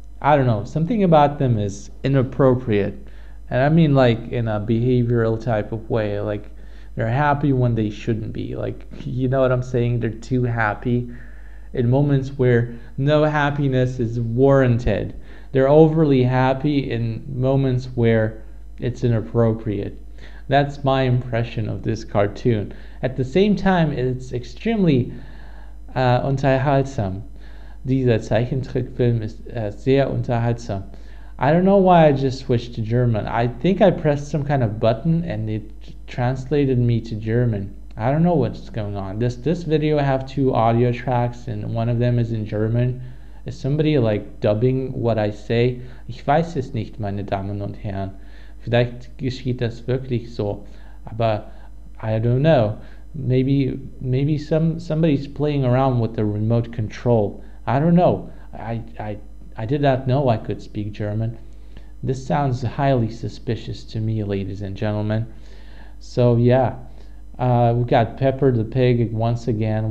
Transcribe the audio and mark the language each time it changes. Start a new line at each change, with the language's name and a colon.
English: I don't know, something about them is inappropriate, and I mean like in a behavioral type of way, like they're happy when they shouldn't be, like, you know what I'm saying, they're too happy in moments where no happiness is warranted. They're overly happy in moments where it's inappropriate. That's my impression of this cartoon. At the same time, it's extremely
German: unterhaltsam. Dieser Zeichentrickfilm ist sehr unterhaltsam.
English: I don't know why I just switched to German. I think I pressed some kind of button and it translated me to German. I don't know what's going on. This video have two audio tracks and one of them is in German. Is somebody like dubbing what I say?
German: Ich weiß es nicht, meine Damen und Herren. Vielleicht geschieht das wirklich so, aber
English: I don't know. Maybe somebody's playing around with the remote control. I don't know. I did not know I could speak German. This sounds highly suspicious to me, ladies and gentlemen. So yeah, we got Pepper the Pig once again.